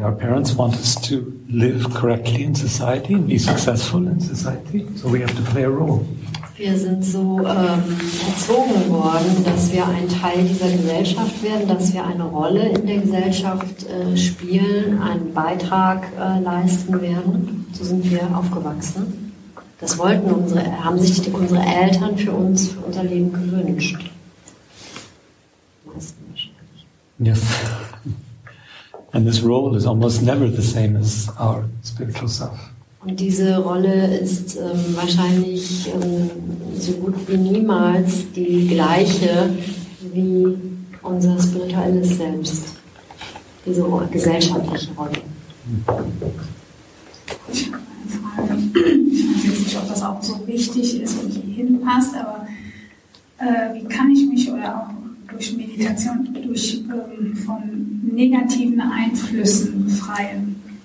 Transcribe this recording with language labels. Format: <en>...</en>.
<en>Our parents want us to live correctly in society and be successful in society. So we have to play a role.</en> <de>Wir sind so erzogen worden, dass wir ein Teil dieser Gesellschaft werden, dass wir eine Rolle in der Gesellschaft spielen, einen Beitrag leisten werden. So sind wir aufgewachsen. Das wollten unsere, haben sich unsere Eltern für uns, für unser Leben gewünscht. Meistens wahrscheinlich.</de> <en>Yes. And this role is almost never the same as our spiritual self.</en> <de>Und diese Rolle ist wahrscheinlich so gut wie niemals die gleiche wie unser spirituelles Selbst. Diese gesellschaftliche Rolle. Ich weiß nicht, ob das auch so wichtig ist und hier hinpasst, aber wie kann ich mich oder auch durch Meditation durch von negativen Einflüssen befreien?</de>